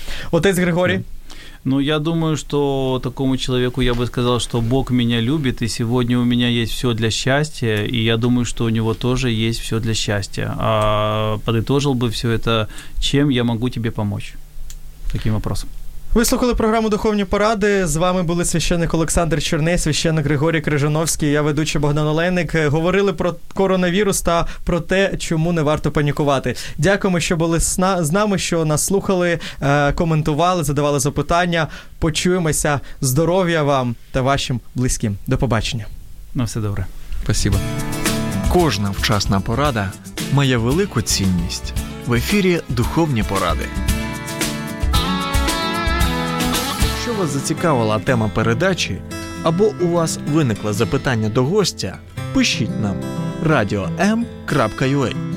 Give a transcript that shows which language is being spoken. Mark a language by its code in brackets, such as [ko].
[ru] Отец Григорий. Да. Ну, я думаю, что такому человеку я бы сказал, что Бог меня любит, и сегодня у меня есть все для счастья, и я думаю, что у него тоже есть все для счастья. А подытожил бы все это, чем я могу тебе помочь? Таким вопросом. [uk] Ви слухали програму «Духовні поради». З вами були священник Олександр Черний, священник Григорій Крижановський, я ведучий Богдан Олейник. Говорили про коронавірус та про те, чому не варто панікувати. Дякуємо, що були з нами, що нас слухали, коментували, задавали запитання. Почуємося. Здоров'я вам та вашим близьким. До побачення. На все добре. [ru] Спасибо. [uk] Кожна вчасна порада має велику цінність. В ефірі «Духовні поради». Якщо вас зацікавила тема передачі або у вас виникло запитання до гостя, пишіть нам radio.m.ua.